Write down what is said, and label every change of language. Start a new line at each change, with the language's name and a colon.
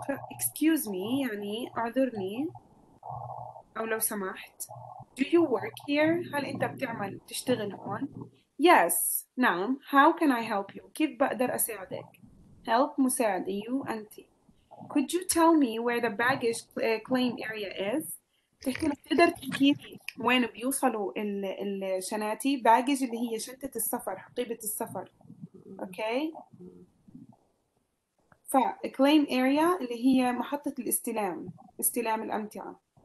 English: Excuse me,
Arabic: يعني أعذرني أو لو سمحت.
English: Do you work here?
Arabic: هل أنت بتعمل تشتغل هون؟ Yes, نعم.
English: How can I help you?
Arabic: كيف بقدر أساعدك؟ Help مساعدة you أنت.
English: Could you tell me where the baggage claim area is?
Arabic: تقدر تحكي لي وين بيوصلوا الشناتي؟ Baggage اللي هي شنطة السفر، حقيبة السفر.
English: Okay.
Arabic: فالكليم اريا اللي هي محطة الاستلام، استلام الأمتعة.